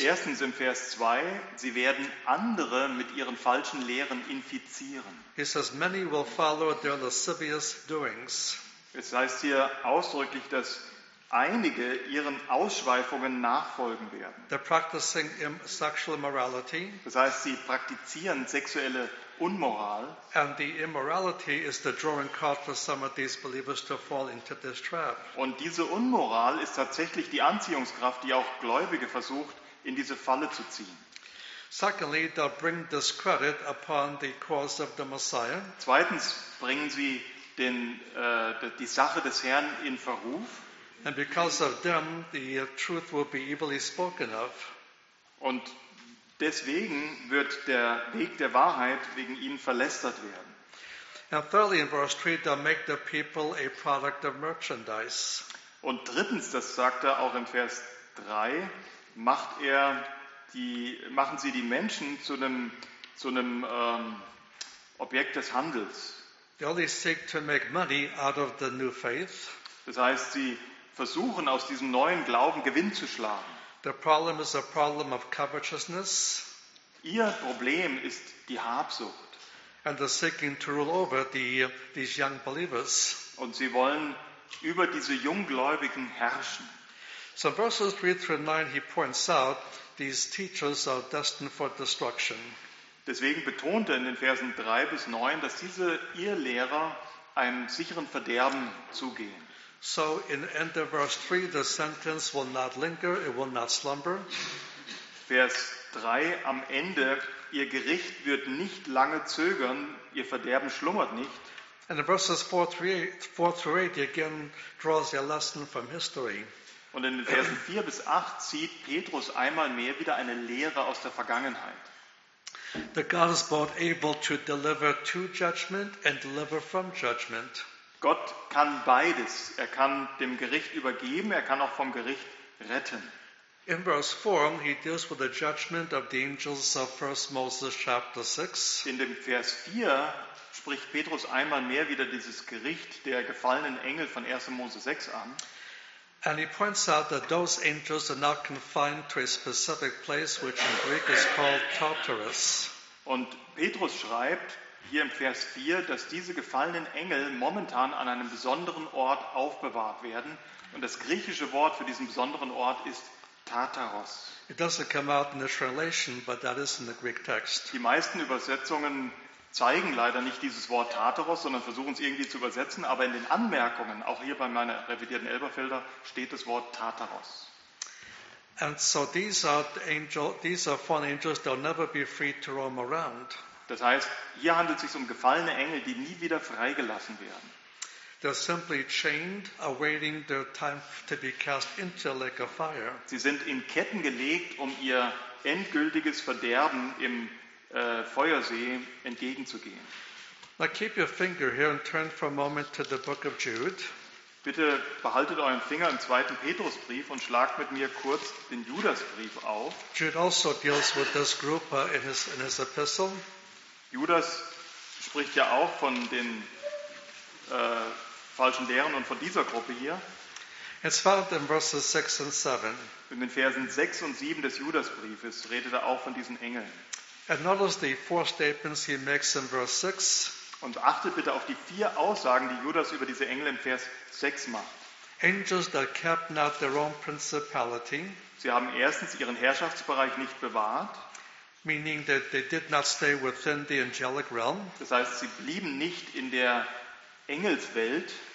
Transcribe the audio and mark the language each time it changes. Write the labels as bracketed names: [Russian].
[German] Erstens im Vers 2, sie werden andere mit ihren falschen Lehren infizieren. [English] He says, many will follow their lascivious doings. [German] Es heißt hier ausdrücklich, dass einige ihren Ausschweifungen nachfolgen werden. [English] They're practicing sexual immorality. [German] Das heißt, sie praktizieren sexuelle Unmoral. [English] And the immorality is the drawing card for some of these believers to fall into this trap. [German] Und diese Unmoral ist tatsächlich die Anziehungskraft, die auch Gläubige versucht, in diese Falle zu ziehen. [English] Secondly, they bring discredit upon the cause of the Messiah. [German] Zweitens bringen sie die Sache des Herrn in Verruf. [English] And because of them, the truth will be evilly spoken of. [German] Und deswegen wird der Weg der Wahrheit wegen ihnen verlästert werden. [English] And thirdly, in verse 3, they make the people a product of merchandise. [German] Und drittens, das sagt er auch im Vers 3, machen sie die Menschen zu einem Objekt des Handels. [English] They only seek to make money out of the new faith. [German] Das heißt, sie versuchen aus diesem neuen Glauben Gewinn zu schlagen. [English] The problem is a problem of covetousness. [German] Ihr Problem ist die Habsucht. [English] And they're seeking to rule over these young believers. [German] Und sie wollen über diese Junggläubigen herrschen. [English] So in verses 3 through 9 he points out these teachers are destined for destruction. [German] Deswegen betont er in den Versen 3 bis 9, dass diese Irrlehrer einem sicheren Verderben zugehen. [English] So in end of verse 3, the sentence will not linger, it will not slumber. [German] Vers 3 am Ende, ihr Gericht wird nicht lange zögern, ihr Verderben schlummert nicht. [English] And in verses 4-8, he again draws a lesson from history. [German] Und in den Versen 4 bis 8 zieht Petrus einmal mehr wieder eine Lehre aus der Vergangenheit. [English] That God is both able to deliver to judgment and deliver from judgment. [German] Gott kann beides. Er kann dem Gericht übergeben, er kann auch vom Gericht retten. [English] In verse 4, he deals with the judgment of the angels of 1 Moses chapter 6. [German] In dem Vers 4 spricht Petrus einmal mehr wieder dieses Gericht der gefallenen Engel von 1. Mose 6 an. [English] And he points out that those angels are not confined to a specific place, which in Greek is called Tartarus. [German] Und Petrus schreibt hier im Vers 4, dass diese gefallenen Engel momentan an einem besonderen Ort aufbewahrt werden. Und das griechische Wort für diesen besonderen Ort ist Tartarus. [English] It doesn't come out in the translation, but that is in the Greek text. [German] Die meisten Übersetzungen zeigen leider nicht dieses Wort Tartarus, sondern versuchen es irgendwie zu übersetzen. Aber in den Anmerkungen, auch hier bei meiner revidierten Elberfelder, steht das Wort Tartarus. [English] And so these are fallen angels, they'll never be free to roam around. [German] Das heißt, hier handelt es sich um gefallene Engel, die nie wieder freigelassen werden. [English] They're simply chained, awaiting their time to be cast into a lake of fire. [German] Sie sind in Ketten gelegt, um ihr endgültiges Verderben im Feuersee entgegenzugehen. [English] Now keep your finger here and turn for a moment to the book of Jude. [German] Bitte behaltet euren Finger im zweiten Petrusbrief und schlagt mit mir kurz den Judasbrief auf. [English] Jude also deals with this group in his epistle. [German] Judas spricht ja auch von den falschen Lehren und von dieser Gruppe hier. [English] It's found in verses 6 and 7. [German] In den Versen 6 und 7 des Judasbriefes redet er auch von diesen Engeln. [English] And notice the four statements he makes in verse 6. [German] Und achtet bitte auf die vier Aussagen, die Judas über diese Engel im Vers 6 macht. [English] Angels that kept not their own principality. [German] Sie haben erstens ihren Herrschaftsbereich nicht bewahrt. [English] Meaning that they did not stay within the angelic realm. [German] Das heißt, sie blieben nicht in der Engelswelt.